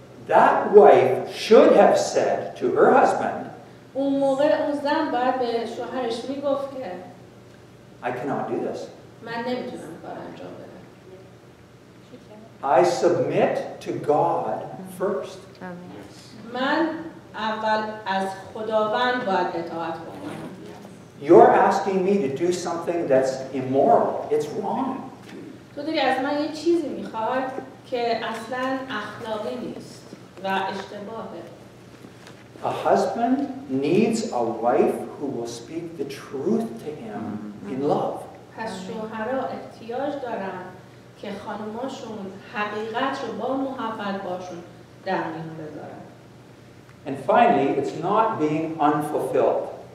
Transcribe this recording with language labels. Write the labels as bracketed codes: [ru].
[en] That wife should have said to her husband, [fa] اون موقع اون زن باید به شوهرش میگفت که [en] I cannot do this. [fa] من نمیتونم کار انجام بدم. [en] I submit to God first. [fa] من اول از خداوند باید اطاعت کنم. [en] You're asking me to do something that's immoral. It's wrong. [fa] تو داری از من یه چیزی میخواد که اصلا اخلاقی نیست و اشتباهه. [en] A husband needs a wife who will speak the truth to him in love. [fa] پس شوهرها احتیاج دارن که خانماشون حقیقت رو با محبت باشون در میون بذارن. [en] And finally, it's not being unfulfilled.